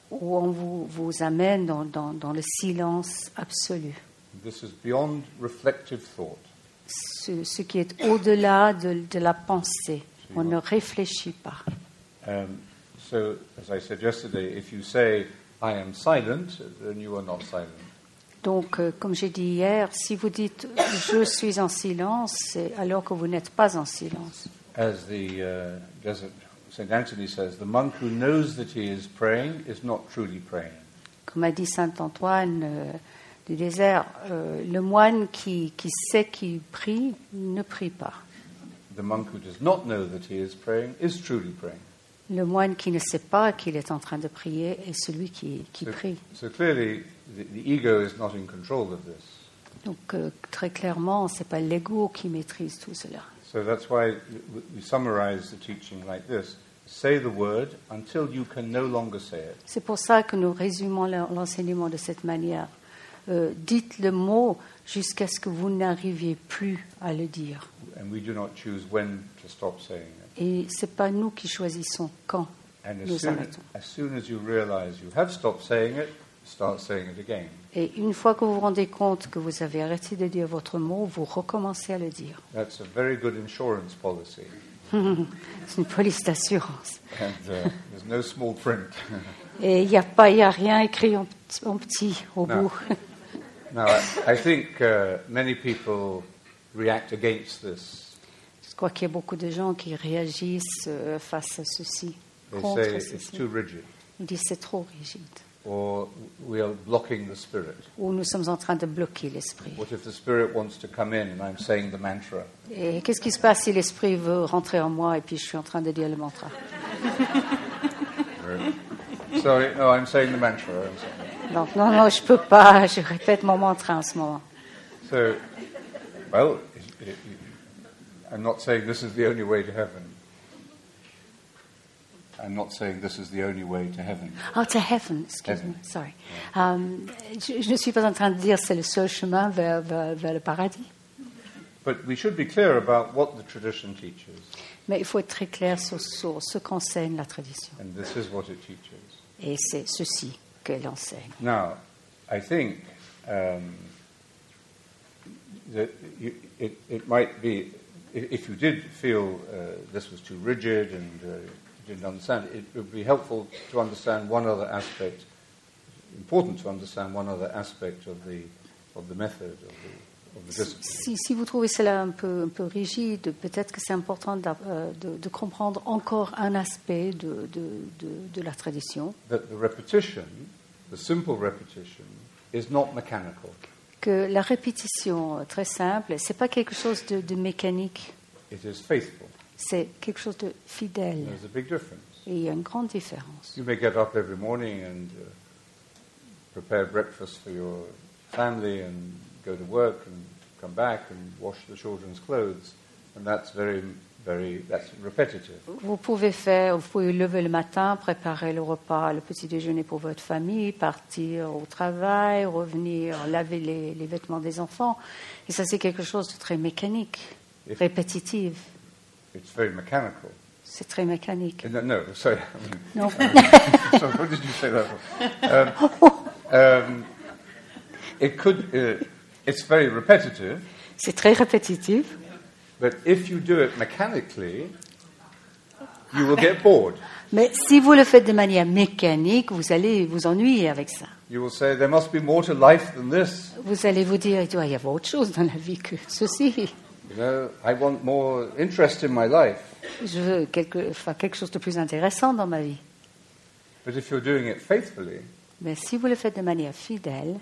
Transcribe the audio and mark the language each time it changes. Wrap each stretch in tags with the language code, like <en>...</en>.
<fr>Où on vous amène dans le silence absolu.</fr> <en>This is beyond reflective thought.</en> <fr>Ce qui est au-delà de la pensée. So on ne réfléchit pas.</fr> <en>So, as I said yesterday, if you say, I am silent, then you are not silent.</en> <fr>Donc, comme j'ai dit hier, si vous dites, je suis en silence, c'est alors que vous n'êtes pas en silence.</fr> <en>As the desert. Saint Anthony says, "The monk who knows that he is praying is not truly praying."</en> <fr>Comme a dit Saint Antoine du désert, le moine qui sait qu'il prie ne prie pas.</fr> <en>The monk who does not know that he is praying is truly praying.</en> <fr>Le moine qui ne sait pas qu'il est en train de prier est celui qui prie.</fr> <en>So clearly, the ego is not in control of this.</en> <fr>Donc très clairement, c'est pas l'ego qui maîtrise tout cela.</fr> <en>So that's why we summarize the teaching like this. Say the word until you can no longer say it.</en> <fr>C'est pour ça que nous résumons l'enseignement de cette manière. Dites le mot jusqu'à ce que vous n'arriviez plus à le dire.</fr> <en>And we do not choose when to stop saying it.</en> <fr>Et c'est pas nous qui choisissons quand</fr> <en>and</en> <fr>nous arrêtons.</fr> <en>As soon as you realize you have stopped saying it, start saying it again.</en> <fr>Et une fois que vous vous rendez compte que vous avez arrêté de dire votre mot, vous recommencez à le dire.</fr> <en>That's a very good insurance policy.</en> <fr>C'est une police d'assurance.</fr> <en>And, there's no small print.</en> <fr>Et il n'y a rien écrit en petit au bout.</fr> <en>Now, I think many people react against this.</en> <fr>Je crois qu'il y a beaucoup de gens qui réagissent face à ceci.</fr> <en>They</en> <fr>contre</fr> <en>say</en> <fr>ceci.</fr> <en>It's too rigid.</en> <fr>Ils disent c'est trop rigide.</fr> <en>Or we are blocking the spirit.</en> <fr>Ou nous sommes en train de bloquer l'esprit.</fr> <en>What if the spirit wants to come in and I'm saying the mantra?</en> <fr>Et qu'est-ce qui se passe si l'esprit veut rentrer en moi et puis je suis en train de dire le mantra?</fr> <en>Sorry, no, I'm saying the mantra. I'm sorry.</en> <fr>Non, je peux pas. Je répète mon mantra en ce moment.</fr> <en>So, well, I'm not saying this is the only way to heaven. I'm not saying this is the only way to heaven. Oh, to heaven, excuse me, sorry. Yeah.</en> <fr>Je ne suis pas en train de dire c'est le seul chemin vers le paradis.</fr> <en>But we should be clear about what the tradition teaches.</en> <fr>Mais il faut être très clair sur ce qu'enseigne la tradition.</fr> <en>And this is what it teaches.</en> <fr>Et c'est ceci qu'elle enseigne.</fr> <en>Now, I think that it might be, if you did feel this was too rigid and... didn't understand. It would be helpful to understand one other aspect. Important to understand one other aspect of the method of the discipline.</en> <fr>Si vous trouvez cela un peu rigide, peut-être que c'est important de comprendre encore un aspect de la tradition.</fr> <en>That the repetition, the simple repetition, is not mechanical.</en> <fr>Que la répétition très simple, c'est pas quelque chose de mécanique.</fr> <en>It is faithful.</en> <fr>C'est quelque chose de fidèle.</fr> <en>There's a big difference.</en> <fr>Et il y a une grande différence.</fr> <en>You may get up every morning and prepare breakfast for your family and go to work and come back and wash the children's clothes, and that's very, very, that's repetitive.</en> <fr>Vous pouvez lever le matin, préparer le repas, le petit déjeuner pour votre famille, partir au travail, revenir, laver les vêtements des enfants, et ça c'est quelque chose de très mécanique, répétitif.</fr> <en>It's very mechanical.</en> <fr>C'est très mécanique.</fr> <en>No. So what did you say that for? It's very repetitive.</en> <fr>C'est très répétitif.</fr> <en>But if you do it mechanically, you will get bored.</en> <fr>Mais si vous le faites de manière mécanique, vous allez vous ennuyer avec ça.</fr> <en>You will say there must be more to life than this.</en> <fr>Vous allez vous dire il doit y avoir autre chose dans la vie que ceci.</fr> <en>You know, I want more interest in my life.</en> <fr>Je veux quelque chose de plus intéressant dans ma vie.</fr> <en>But if you're doing it faithfully,</en> <fr>mais si vous le faites de manière fidèle,</fr>